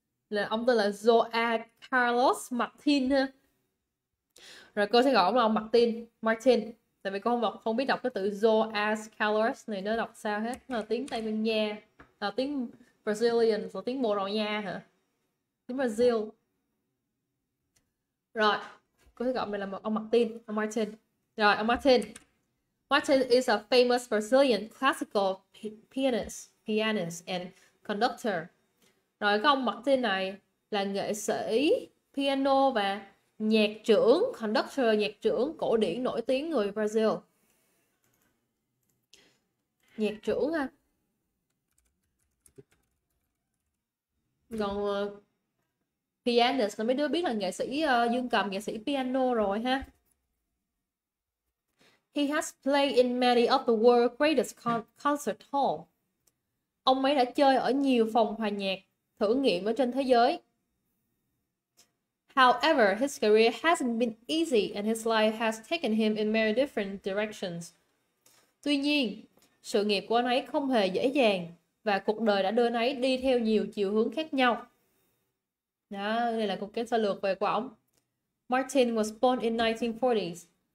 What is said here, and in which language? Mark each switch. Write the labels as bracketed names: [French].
[Vietnamese] Là ông tên là Joao Carlos Martin ha. Rồi cô sẽ gọi ông là ông Martin, Martin. Tại vì cô không đọc, không biết đọc cái từ Joao Carlos này nó đọc sao hết. Nó là tiếng Tây Ban Nha, là tiếng Brazilian, là tiếng Bồ Đào Nha hả? Tiếng Brazil. Rồi, cô sẽ gọi mình là một ông Martin, ông Martin. Rồi, ông Martin. [English] Martin is a famous Brazilian classical pianist and conductor. [Vietnamese] Rồi cái ông Martin này là nghệ sĩ piano và nhạc trưởng, conductor, nhạc trưởng cổ điển nổi tiếng người Brazil. Nhạc trưởng ha. Còn pianist là mấy đứa biết là nghệ sĩ dương cầm, nghệ sĩ piano rồi ha. [English] He has played in many of the world's greatest concert hall. [Vietnamese] Ông ấy đã chơi ở nhiều phòng hòa nhạc thử nghiệm ở trên thế giới. [English] However, his career hasn't been easy and his life has taken him in many different directions. [Vietnamese] Tuy nhiên, sự nghiệp của anh ấy không hề dễ dàng và cuộc đời đã đưa anh ấy đi theo nhiều chiều hướng khác nhau. Đó, đây là cuộc kết sơ lược về của ông. [English] Martin was born in 1940s.